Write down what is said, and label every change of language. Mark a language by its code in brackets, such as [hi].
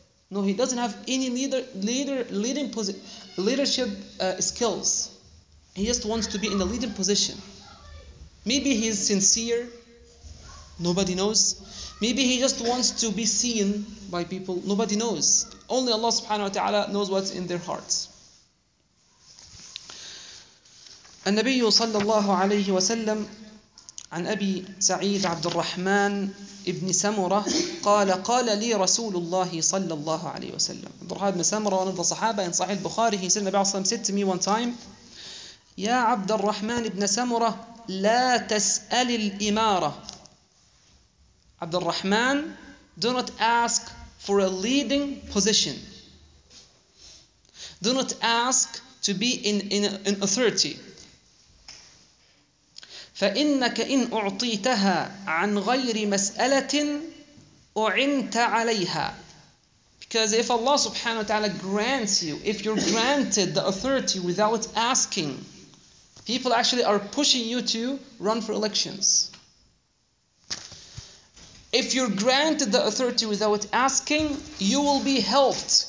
[en] No, he doesn't have any leadership skills. He just wants to be in a leading position. Maybe he's sincere. Nobody knows. Maybe he just wants to be seen by people. Nobody knows. Only Allah subhanahu wa ta'ala knows what's in their hearts. [ar] النبي صلى الله عليه وسلم عن أبي سعيد عبد الرحمن ابن سمرة قال قال لي رسول الله صلى الله عليه وسلم. عبد الرحمن بن سمرة [en] one of the [ar] صحابة in صحيح البخاري. [en] He said [ar] النبي صلى الله عليه وسلم [en] said to me one time, [ar] يا عبد الرحمن ابن سمرة لا تسأل الإمارة. [en] عبد الرحمن, do not ask for a leading position. Do not ask to be in authority. [ar] فإنك إن أعطيتها عن غير مسألة أعنت عليها. [en] Because if Allah subhanahu wa ta'ala grants you, if you're granted the authority without asking, people actually are pushing you to run for elections. If you're granted the authority without asking, you will be helped.